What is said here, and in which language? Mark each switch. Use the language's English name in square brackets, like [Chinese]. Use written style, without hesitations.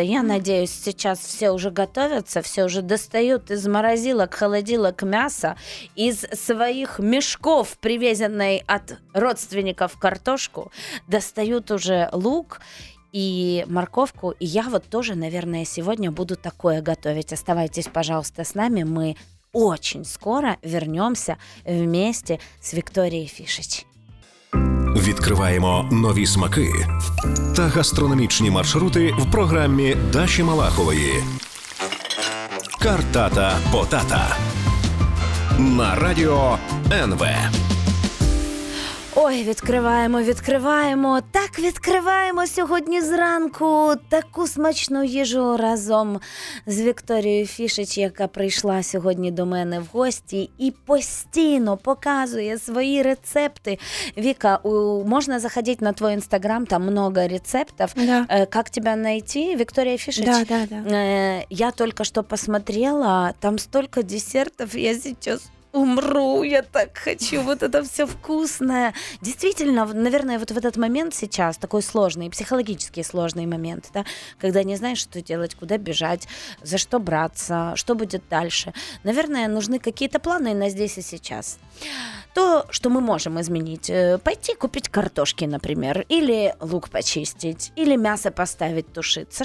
[Russian] Я надеюсь, сейчас все уже готовятся, все уже достают из морозилок, холодилок мяса, из своих мешков, привезенной от родственников картошку, достают уже лук и морковку. И я вот тоже, наверное, сегодня буду такое готовить. Оставайтесь, пожалуйста, с нами. Мы очень скоро вернемся вместе с Викторией Фишич. [Ukrainian] Відкриваємо нові смаки та гастрономічні маршрути в програмі Даші Малахової. Картата потата на радіо НВ. Ой, відкриваємо, відкриваємо. Так, відкриваємо сьогодні зранку таку смачну їжу разом з Вікторією Фішич, яка прийшла сьогодні до мене в гості і постійно показує свої рецепти. Віка, можна заходити на твій інстаграм, там багато рецептів. [Russian] Да. [Ukrainian] Як тебе знайти, Вікторія Фішич? [Russian] Да, да, да. [Ukrainian] Я тільки що посмотрела, там стільки десертів, я зараз... [Russian] Умру, я так хочу, вот это все вкусное. Действительно, наверное, вот в этот момент сейчас, такой сложный, психологически сложный момент, да, когда не знаешь, что делать, куда бежать, за что браться, что будет дальше. Наверное, нужны какие-то планы на здесь и сейчас. То, что мы можем изменить, пойти купить картошки, например, или лук почистить, или мясо поставить тушиться.